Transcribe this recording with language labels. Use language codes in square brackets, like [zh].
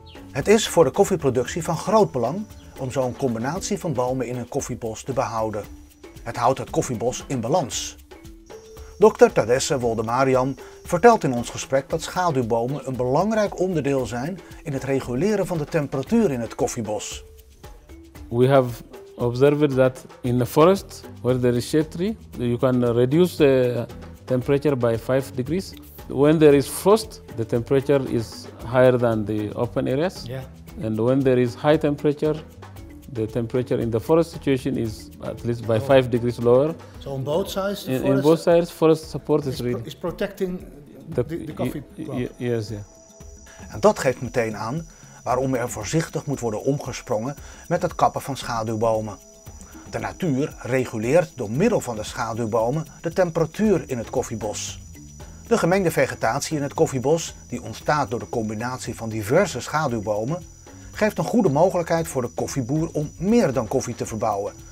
[nl] Het is voor de koffieproductie van groot belang om zo'n combinatie van bomen in een koffiebos te behouden. Het houdt het koffiebos in balans. Dr. Tadesse Woldemariam vertelt in ons gesprek dat schaduwbomen een belangrijk onderdeel zijn in het reguleren van de temperatuur in het koffiebos. [en] We have observed that in the forest where there is shade tree, you can reduce the temperature by 5 degrees. When there is frost, the temperature is higher than the open areas. Yeah. And when there is high temperature, the temperature in the forest situation is at least by 5 degrees lower. So on both sides? In both sides, forest support is really... is protecting the coffee plant. Yes, yeah. [nl] En dat geeft meteen aan waarom er voorzichtig moet worden omgesprongen met het kappen van schaduwbomen. De natuur reguleert door middel van de schaduwbomen de temperatuur in het koffiebos. De gemengde vegetatie in het koffiebos, die ontstaat door de combinatie van diverse schaduwbomen, geeft een goede mogelijkheid voor de koffieboer om meer dan koffie te verbouwen.